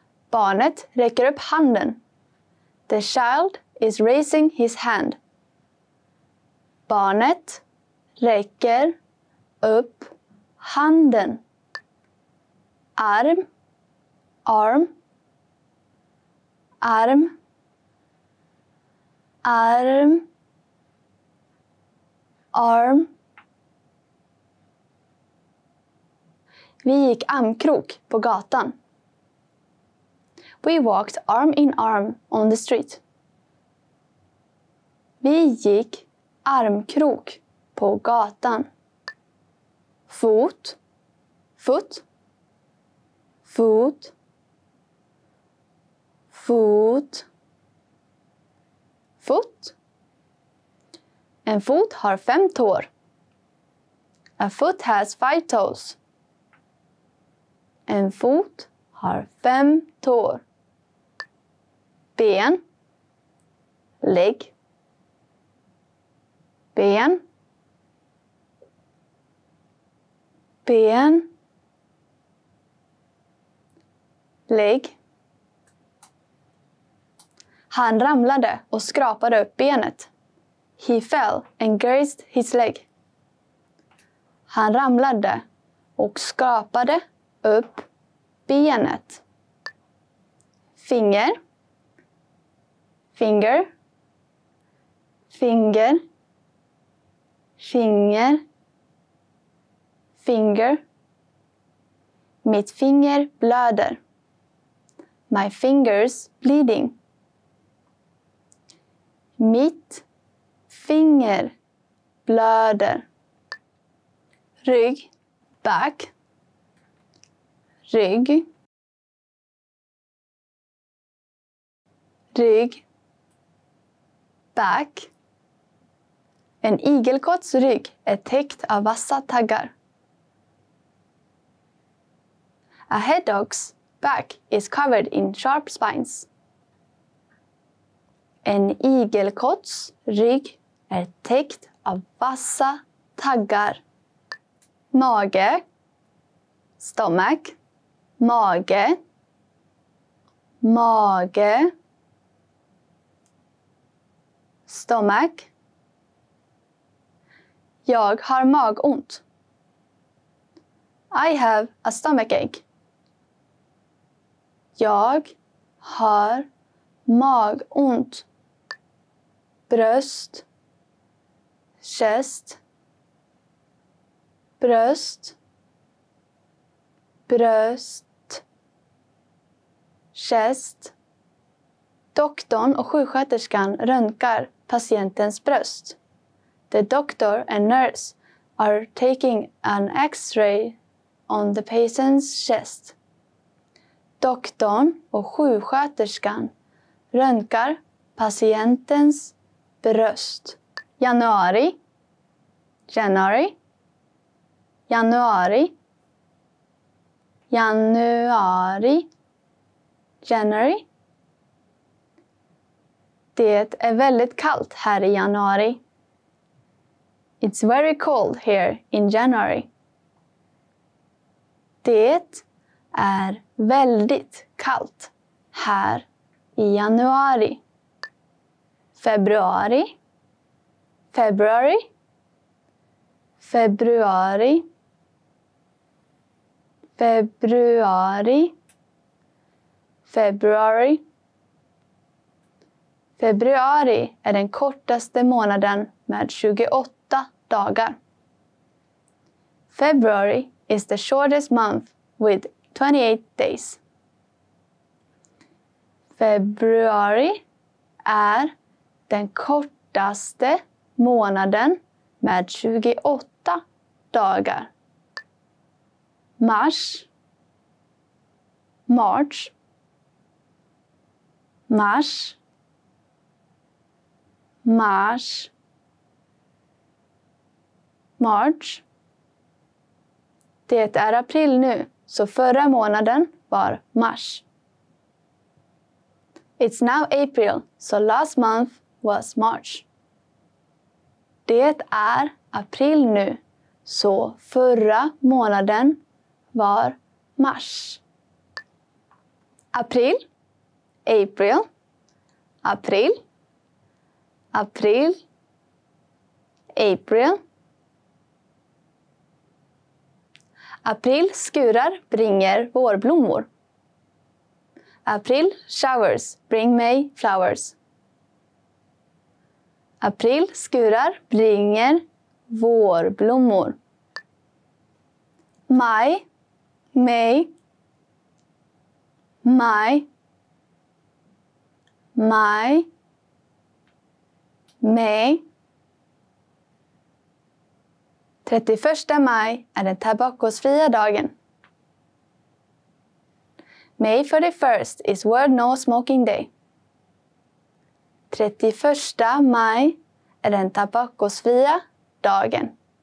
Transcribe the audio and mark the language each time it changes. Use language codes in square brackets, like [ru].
[sv] Barnet räcker upp handen. [en] The child is raising his hand. [sv] Barnet räcker upp handen. Arm, arm, arm, arm, arm. Vi gick armkrok på gatan. [en] We walked arm in arm on the street. [sv] Vi gick armkrok på gatan. [en] Fot, foot, foot, foot, foot. [sv] En fot har fem tår. [en] A foot has five toes. [sv] En fot har fem tår. Ben, leg, ben, ben, leg. Han ramlade och skrapade upp benet. [en] He fell and grazed his leg. [sv] Han ramlade och skrapade upp benet. Finger. Finger, finger, finger, finger. Mitt finger blöder. [en] My fingers bleeding. [sv] Mitt finger blöder. Rygg, back. Rygg. Rygg. Back. En igelkotts rygg är täckt av vassa taggar. [en] A hedgehog's back is covered in sharp spines. [sv] En igelkotts rygg är täckt av vassa taggar. Mage. Stomach. Mage. Mage. [en] Stomach. [sv] Jag har magont. [en] I have a stomachache. [sv] Jag har magont. Bröst. Chest. bröst, bröst, chest. Doktorn och sjuksköterskan röntgar patientens bröst. [en] The doctor and nurse are taking an x-ray on the patient's chest. [sv] Doktorn och sjuksköterskan röntgar patientens bröst. Januari. January. Januari. Januari. January. Det är väldigt kallt här i januari. [en] It's very cold here in January. [sv] Det är väldigt kallt här i januari. Februari. February. Februari. Februari. February. Februari är den kortaste månaden med 28 dagar. [en] February is the shortest month with 28 days. [sv] Februari är den kortaste månaden med 28 dagar. Mars. March. Mars. Mars. [en] March. [sv] Det är april nu, så förra månaden var mars. [en] It's now April, so last month was March. [sv] Det är april nu, så förra månaden var mars. April. April. April. April. April. April skurar bringer vårblommor. [en] April showers bring May flowers. [sv] April skurar bringer vårblommor. Maj, May. Maj. Maj. May. 31 maj är den tobakosfria dagen. [en] May 31st is World No Smoking Day. [sv] 31 maj är den tobakosfria dagen.